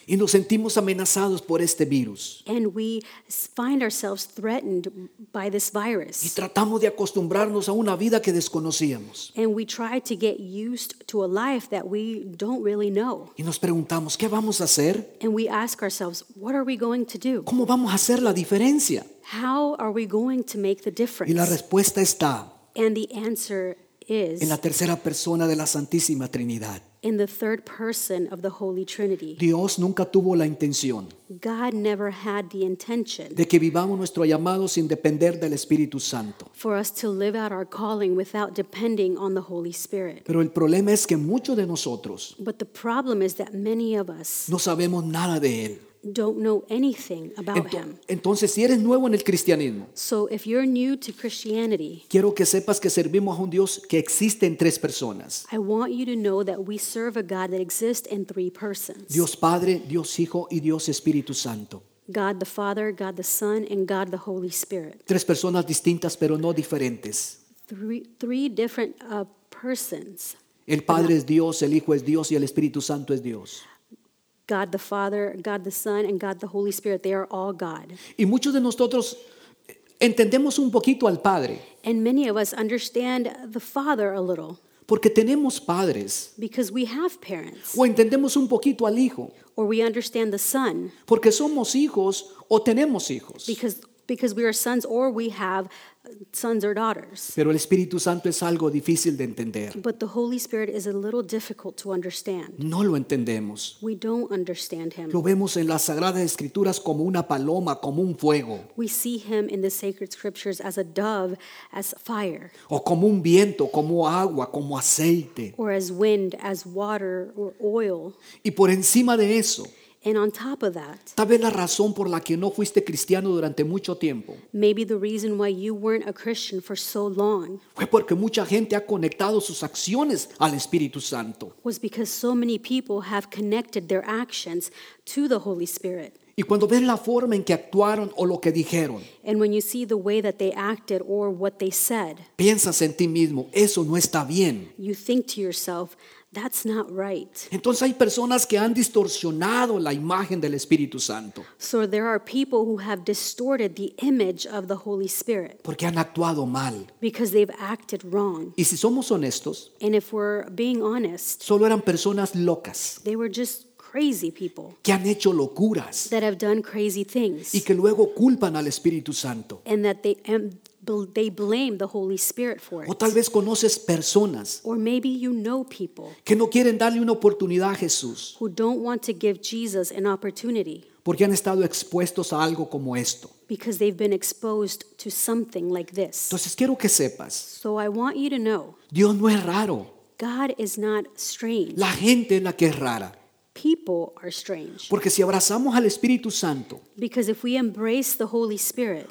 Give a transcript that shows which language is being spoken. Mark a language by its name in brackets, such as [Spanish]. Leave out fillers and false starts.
[Spanish] Y nos sentimos amenazados por este virus. [English] And we find ourselves threatened by this virus. [Spanish] Y tratamos de acostumbrarnos a una vida que desconocíamos. [English] And we try to get used to a life that we don't really know. [Spanish] Y nos preguntamos, ¿qué vamos a hacer? [English] And we ask ourselves, what are we going to do? [Spanish] ¿Cómo vamos a hacer la diferencia? [English] How are we going to make the difference? [Spanish] Y la respuesta está, [English] and the answer is, [Spanish] en la tercera persona de la Santísima Trinidad. [English] In the third person of the Holy Trinity. [Spanish] Dios nunca tuvo la intención, [English] God never had the intention, [Spanish] de que vivamos nuestro llamado sin depender del Espíritu Santo. [English] For us to live out our calling without depending on the Holy Spirit. [Spanish] Pero el problema es que muchos de nosotros, [English] but the problem is that many of us, [Spanish] no sabemos nada de él. [English] Don't know anything about him. [Spanish] Entonces, si eres nuevo en el cristianismo, [English] so if you're new to Christianity, [Spanish] quiero que sepas que servimos a un Dios que existe en tres personas. [English] I want you to know that we serve a God that exists in three persons. [Spanish] Dios Padre, Dios Hijo y Dios Espíritu Santo. [English] God the Father, God the Son, and God the Holy Spirit. [Spanish] Tres personas distintas, pero no diferentes. [English] Three different persons. [Spanish] El Padre es Dios, el Hijo es Dios y el Espíritu Santo es Dios. [English] God the Father, God the Son, and God the Holy Spirit, they are all God. [Spanish] Y muchos de nosotros entendemos un poquito al Padre. [English] And many of us understand the Father a little. [Spanish] Porque tenemos padres. [English] Because we have parents. [Spanish] O entendemos un poquito al Hijo. [English] Or we understand the Son. [Spanish] Porque somos hijos o tenemos hijos. [English] Because we are sons or we have sons or daughters. [Spanish] Pero el Espíritu Santo es algo difícil de entender. [English] But the Holy Spirit is a little difficult to understand. [Spanish] No lo entendemos. [English] We don't understand him. [Spanish] Lo vemos en las Sagradas Escrituras como una paloma, como un fuego. [English] We see him in the sacred scriptures as a dove, as fire. [Spanish] O como un viento, como agua, como aceite. [English] Or as wind, as water, or oil. [Spanish] Y por encima de eso, [English] and on top of that, [Spanish] tal vez la razón por la que no fuiste cristiano durante mucho tiempo, [English] maybe the reason why you weren't a Christian for so long, [Spanish] fue porque mucha gente ha conectado sus acciones al Espíritu Santo, [English] was because so many people have connected their actions to the Holy Spirit. [Spanish] Y cuando ves la forma en que actuaron o lo que dijeron, [English] and when you see the way that they acted or what they said, [Spanish] piensas en ti mismo, eso no está bien. [English] You think to yourself, that's not right. [Spanish] Entonces hay personas que han distorsionado la imagen del Espíritu Santo. [English] So there are people who have distorted the image of the Holy Spirit. [Spanish] Porque han actuado mal. [English] Because they've acted wrong. [Spanish] Y si somos honestos, [English] and if we're being honest, [Spanish] solo eran personas locas. [English] They were just crazy people. [Spanish] Que han hecho locuras. [English] That have done crazy things. [Spanish] Y que luego culpan al Espíritu Santo. [English] And that they blame the Holy Spirit for it. [Spanish] O tal vez conoces personas, [English] or maybe you know people, [Spanish] que no quieren darle una oportunidad a Jesús, [English] who don't want to give Jesus an opportunity, [Spanish] porque han estado expuestos a algo como esto, [English] because they've been exposed to something like this. [Spanish] Entonces quiero que sepas, [English] so I want you to know, [Spanish] Dios no es raro. [English] God is not strange. [Spanish] La gente es la que es rara. [English] People are strange. [Spanish] Porque si abrazamos al Espíritu Santo, [English] because if we embrace the Holy Spirit,